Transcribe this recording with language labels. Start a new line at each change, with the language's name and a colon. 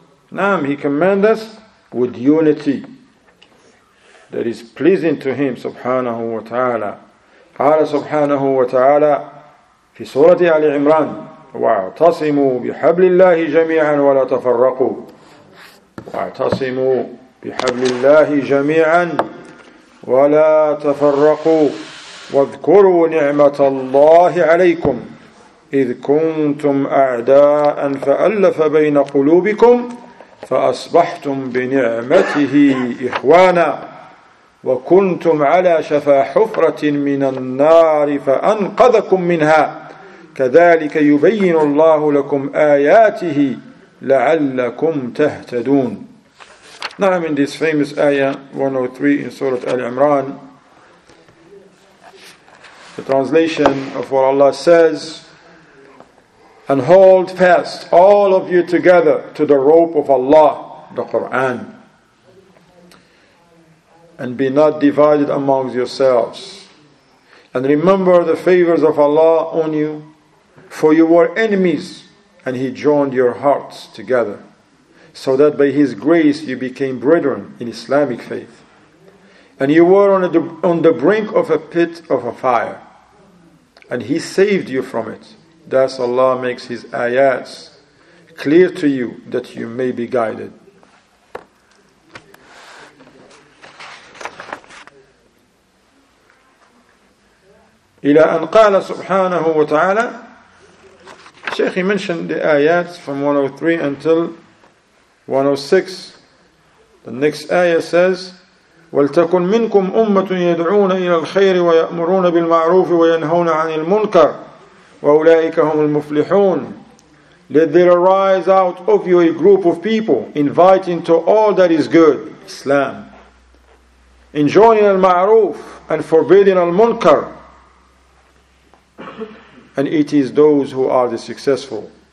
English: Naam, He command us with unity that is pleasing to Him Subhanahu wa Ta'ala.
Arabic: Qala Subhanahu wa Ta'ala fi Surati Ali Imran, واعتصموا بحبل الله جميعا ولا تفرقوا. واعتصموا بحبل الله جميعا ولا تفرقوا. واذكروا نعمة الله عليكم إذ كنتم أعداء فألف بين قلوبكم فأصبحتم بنعمته إخوانا وكنتم على شفا حفرة من النار فأنقذكم منها كذلك يبين الله لكم آياته لعلكم تهتدون.
English: نعم, in this famous ayah 103 in Surah Al-Imran, the translation of what Allah says, and hold fast all of you together to the rope of Allah, the Quran, and be not divided amongst yourselves, and remember the favors of Allah on you. For you were enemies, and He joined your hearts together, so that by His grace you became brethren in Islamic faith. And you were on the brink of a pit of a fire, and He saved you from it. Thus Allah makes His ayats clear to you, that you may be guided.
Arabic: إلى أن قال سبحانه وتعالى.
English: Sheikh, he mentioned the ayats from 103 until 106. The next ayah says,
Arabic: وَلْتَكُنْ مِنْكُمْ أُمَّةٌ يَدْعُونَ إِلَى الْخَيْرِ وَيَأْمُرُونَ بِالْمَعْرُوفِ وَيَنْهَوْنَ عَنِ الْمُنْكَرِ وَأُولَٰئِكَ هُمُ الْمُفْلِحُونَ.
English: Let there arise out of you a group of people inviting to all that is good, Islam, enjoining al-ma'roof and forbidding al-munkar. And it is those who are the successful.